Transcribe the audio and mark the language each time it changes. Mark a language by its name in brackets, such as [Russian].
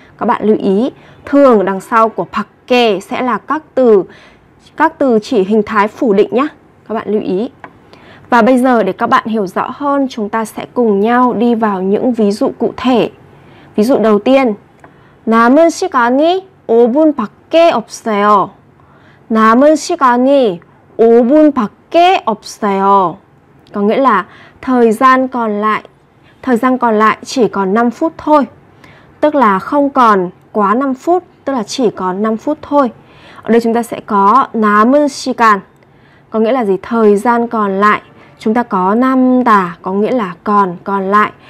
[Vietnamese] Các bạn lưu ý, thường đằng sau của 밖에 sẽ là các từ chỉ hình thái phủ định nhé. Các bạn lưu ý. Và bây giờ để các bạn hiểu rõ hơn, chúng ta sẽ cùng nhau đi vào những ví dụ cụ thể. Ví dụ đầu tiên, 남은 시간이 5분밖에 없어요. [Korean] 남은 시간이 5분밖에 없어요. [Vietnamese] Có nghĩa là thời gian còn lại chỉ còn 5 phút thôi. Tức là không còn quá 5 phút, tức là chỉ còn 5 phút thôi. Ở đây chúng ta sẽ có 남은 시간. Có nghĩa là gì? Thời gian còn lại. Chúng ta có 남다 có nghĩa là còn lại.